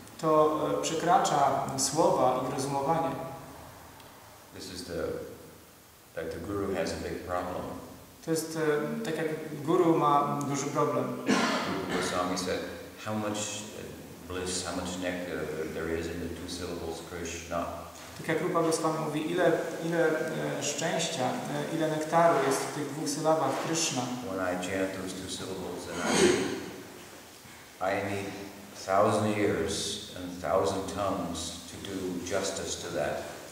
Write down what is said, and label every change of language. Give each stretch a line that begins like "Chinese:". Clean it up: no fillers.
Polish: To przekracza słowa i rozumowanie.
English: This is the like the guru has a big problem.
Polish: To jest tak jak guru ma duży problem.
English: Goswami said, how much bliss, how much nectar there is in the two syllables Krishna.
Polish: Tak jak Rupa Goswami mówi, ile szczęścia, ile nektaru jest w tych dwóch sylabach Krishna.
English: When I chant those two syllables, I need a thousand years and a thousand tongues to do justice to that.